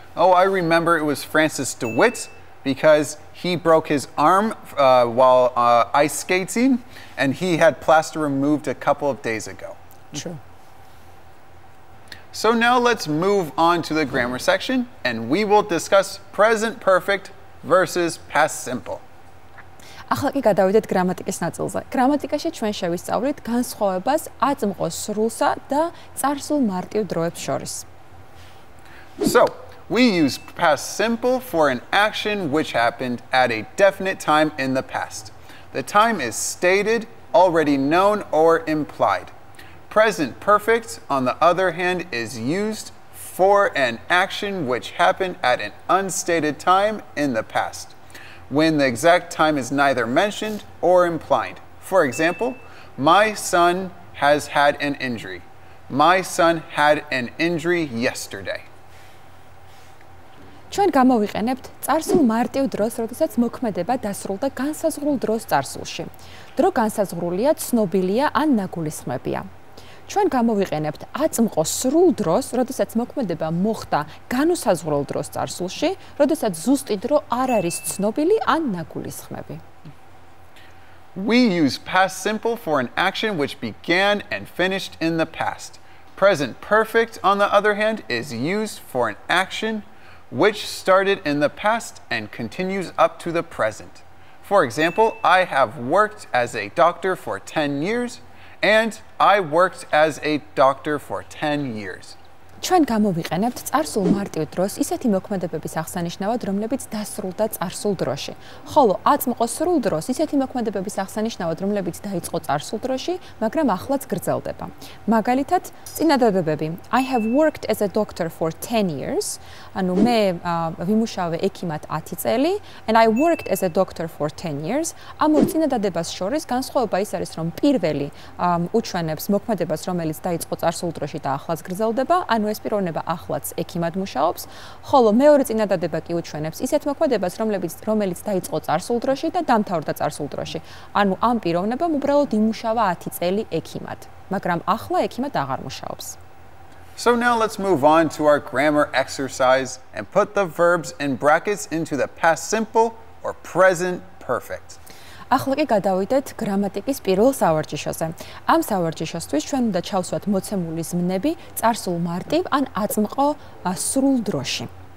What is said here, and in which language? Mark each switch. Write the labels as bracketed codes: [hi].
[en] Oh, I remember it was Francis DeWitt because he broke his arm while ice skating and he had plaster removed a couple of days ago. True. So now let's move on to the grammar section and we will discuss present perfect versus past simple. [ka] ახლა კი გადავიდეთ გრამატიკის ნაწილზე. გრამატიკაში ჩვენ შევისწავლით განსხვავებას აწმყოს სრულსა და წარსულ მარტივ დროებს შორის. [en] So, we use past simple for an action which happened at a definite time in the past. The time is stated, already known or implied. Present perfect, on the other hand, is used for an action which happened at an unstated time in the past. When the exact time is neither mentioned or implied. For example, my son has had an injury. My son had an injury yesterday. [ka] ჩვენ გამოვიყენებთ წარსულ მარტივ დროს, როდესაც მოქმედება დასრულდა განსაზღვრულ დროს წარსულში. დრო განსაზღვრულია, ცნობილია ან ნაგულისხმებია. ჩვენ გამოვიყენებთ აწმყო სრულ დროს, როდესაც მოქმედება მოხდა განუსაზღვრელ დროს წარსულში, როდესაც ზუსტი დრო არ არის ცნობილი ან ნაგულისხმები. [en] We use past simple for an action which began and finished in the past. Present perfect, on the other hand, is used for an action which started in the past and continues up to the present. For example, I have worked as a doctor for 10 years. And I worked as a doctor for 10 years. [ka] ჩვენ გამოვიყენებთ წარსულ მარტივ დროს ისეთი მოქმედებების აღსანიშნავად, რომლებიც დასრულდა წარსულ დროში. ხოლო აწმყო სრულ დროს ისეთი მოქმედებების აღსანიშნავად, რომლებიც დაიწყო წარსულ დროში, მაგრამ ახლაც გრძელდება. მაგალითად, წინადადებები. [en] I have worked as a doctor for 10 years. [ka] ანუ მე ვიმუშავე ექიმად 10 წელი. [en] And I worked as a doctor for 10 years. [ka] ამ ორ წინადადებას შორის განსხვავება ის არის, რომ პირველი უჩვენებს მოქმედებას, რომელიც დაიწყო წარსულ დროში და ახლაც გრძელდება. ანუ ეს პიროვნება ახლაც ექიმად მუშაობს, ხოლო მეორე წინადადება კი უჩვენებს ისეთ მოქმედებას, რომელიც დაიწყო წარსულ დროში და დამთავრდა წარსულ დროში. ანუ ამ პიროვნებამ უბრალოდ იმუშავა 10 წელი ექიმად, მაგრამ ახლა ექიმად აღარ მუშაობს. [en] So now let's move on to our grammar exercise and put the verbs in brackets into the past simple or present perfect. [ka] ახლა კი გადავიდეთ გრამატიკის პირველ სავარჯიშოზე. ამ სავარჯიშოსთვის ჩვენ უნდა ჩავსვათ მოცემული ზმნები წარსულ მარტივ ან აწმყო სრულ დროში.